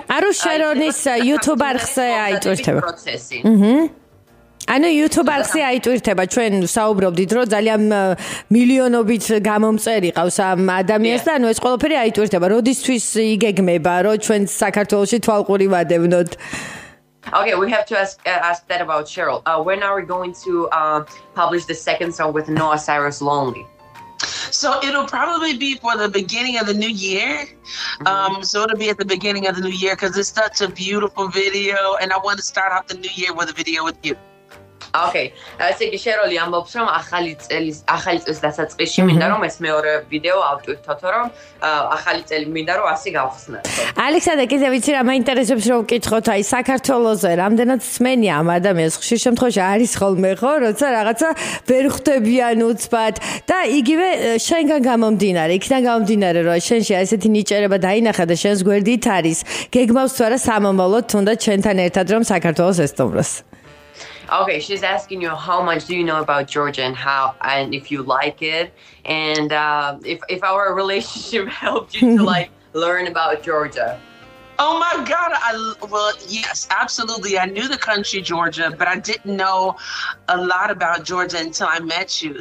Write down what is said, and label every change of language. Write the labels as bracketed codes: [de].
[ka] არო, შერონის YouTube არხზე აიწურთება პროცესი. ანუ YouTube-ზე აიტვირთება, ჩვენ საუბრობდით, რომ ძალიან მილიონობით გამომწერი ყავს ამ ადამიანს და ანუ ეს ყველაფერი აიტვირთება. როდისთვის იგეგმება, რომ ჩვენ საქართველოში თვალყური ვადევნოთ? [en] Okay, we have to ask that about Cheryl. When are we going to publish the second song with Noah Cyrus, Lonely? So it'll probably be for the beginning of the new year. So it'll be at the beginning of the new year because it's such a beautiful video and I want to start off the new year with a video with you. [ka] Okay, ასე იგი შეროლი ამბობს რომ ახალი წელს დასაწყისში მინდა რომ ეს მეორე ვიდეო ავტვირთოთო, რომ ახალი წელი მინდა რომ ასე გავხსნათ. ალექსანდრე, კიდე ვიცი რა მაინტერესებს რომ ვკითხოთ, აი საქართველოსზე რამდენად სმენია ამ ადამიანს? ხშირ შემთხვევაში არის ხოლმე ხო, როცა რაღაცა ვერ ხვდებიან უცბად და იგივე შენგან გამომდინარე, იქიდან გამომდინარე რომ შენში ესეთი ნიჭერება დაინახა და შენს გვერდით არის, გეგმავს თუ არა სამომავლოდ თუნდაც ჩვენთან ერთად რომ საქართველოს ესტუმროს? [en] Okay, she's asking you how much do you know about Georgia and how and if you like it and if our relationship helped you to like learn about Georgia. Oh my god, yes, absolutely. I knew the country Georgia, but I didn't know a lot about Georgia until I met you.